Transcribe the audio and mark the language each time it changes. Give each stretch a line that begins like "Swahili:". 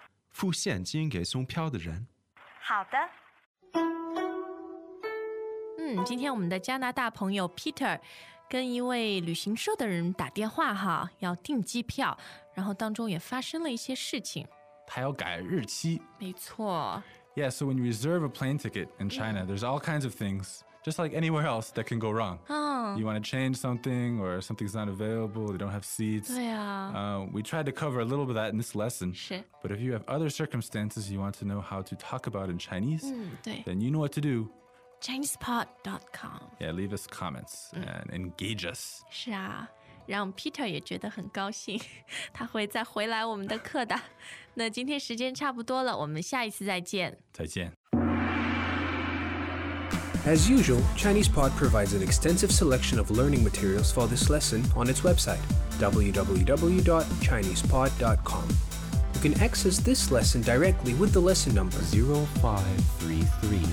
Chinese: 付现金给送票的人。好的。嗯，今天我们的加拿大朋友 Peter 跟一位旅行社的人打电话哈，要订机票，然后当中也发生了一些事情。他要改日期。没错。
English: Yeah, so when you reserve a plane ticket in China, there's all kinds of things, just like anywhere else, that can go wrong. You want to change something or something's not available, they don't have seats.
Chinese: 对啊。
English: We tried to cover a little bit of that in this lesson.
Chinese: 是。
English: But if you have other circumstances you want to know how to talk about in Chinese,
Chinese: 对。
English: Then you know what to do. ChinesePod.com. Yeah, leave us comments and engage us.
Chinese: 是啊。让 Peter 也觉得很高兴，他会再回来我们的课的。那今天时间差不多了，我们下一次再见。再见。
English: As usual, ChinesePod provides an extensive selection of learning materials for this lesson on its website, www.chinesepod.com. You can access this lesson directly with the lesson number 0533.